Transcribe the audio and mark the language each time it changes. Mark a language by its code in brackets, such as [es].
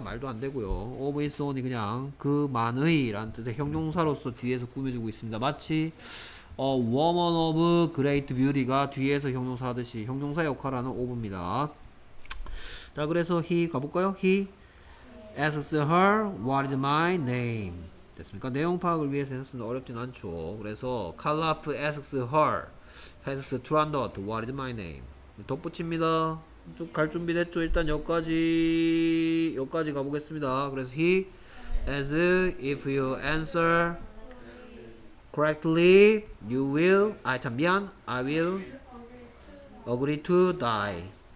[ko] 말도 안 되고요. of his own이 그냥 그만의 라는 뜻의 형용사로서 뒤에서 꾸며주고 있습니다. 마치 [en] woman of great beauty [ko] 가 뒤에서 형용사 하듯이 형용사 역할하는 of입니다. 자 그래서 he 가볼까요? [en] he asks her what is my name. [ko] 됐습니까? 내용 파악을 위해서 했습니다. 어렵진 않죠. 그래서 [en] Calaf asks her, asks Trandot what is my name. [ko] 덧붙입니다. 쭉 갈 준비 됐죠? 일단 여기까지 가보겠습니다. 그래서 [en] he as if you answer correctly you will, I will agree to die.